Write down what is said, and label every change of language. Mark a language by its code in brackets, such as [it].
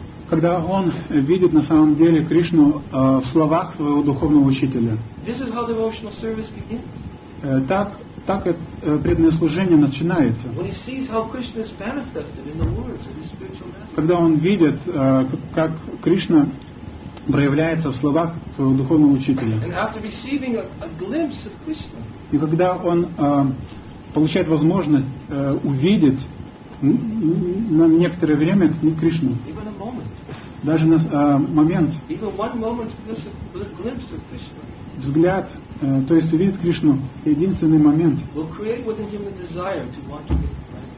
[ru] Когда он видит на самом деле Кришну в словах своего духовного учителя. [en] This is how devotional service begins. [ru] Так преданное служение начинается. [en] When he sees how Krishna is manifested in the words of his spiritual master. [ru] Когда он видит, как Кришна проявляется в словах своего духовного учителя. [en] And after receiving a glimpse of Krishna. [ru] И когда он получает возможность увидеть на некоторое время Кришну. даже на момент, [en] even one moment's glimpse of Krishna, [ru] взгляд, то есть увидеть Кришну, единственный момент, [en] will create within him a desire to want to get the right